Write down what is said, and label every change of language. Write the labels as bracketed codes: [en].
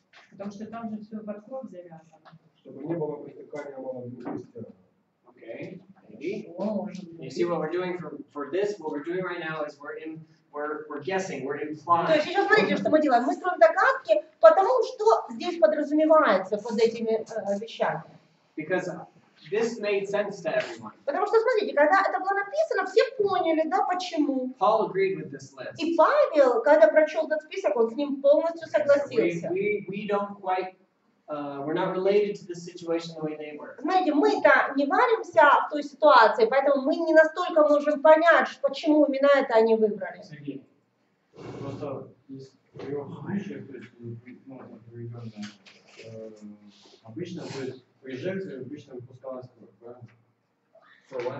[ru] Потому что там же все в окров завязано. Чтобы не было притыкания малого христиана. [en] Okay. You see what we're doing for this? What we're doing right now is we're guessing, we're implying. [ru] То есть сейчас смотрите, что мы делаем. Мы строим догадки, потому что здесь подразумевается под этими вещами. [en] Because this made sense to everyone. [ru] Потому что смотрите, когда это было написано, все поняли, да, почему. [en] Paul agreed with this list. [ru] И Павел, когда прочел этот список, он с ним полностью согласился. [en] So we don't quite. We're not related to the situation the way they were. [ru] Знаете, мы-то не варимся в той ситуации, поэтому мы не настолько можем понять, почему именно это они выбрали. Сергей, просто из трех случаев, то есть, обычно, то есть, при жертве обычно выпускалось такое, да?